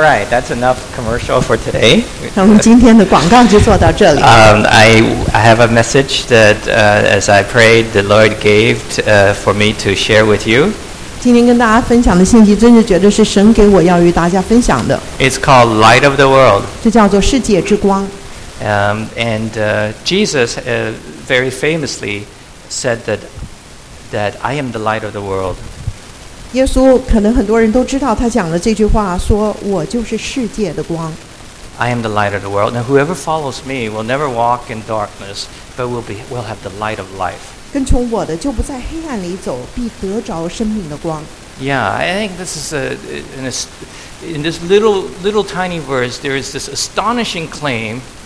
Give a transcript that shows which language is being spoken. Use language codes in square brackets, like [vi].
[en] right, that's enough commercial for today. [zh] 那我们今天的广告就做到这里。I [en] have a message that as I prayed, the Lord gave for me to share with you. [zh] 今天跟大家分享的信息，真是觉得是神给我要与大家分享的。It's [en] called Light of the World. [zh] 这叫做世界之光。And [en] Jesus very famously said that I am the light of the world. [zh] 耶稣可能很多人都知道他讲了这句话，说我就是世界的光。I [en] am the light of the world. Now whoever follows me will never walk in darkness, but will have the light of life. [zh] 跟从我的就不在黑暗里走，必得着生命的光。Yeah, [en] I think this is in this little tiny verse, there is this astonishing claim.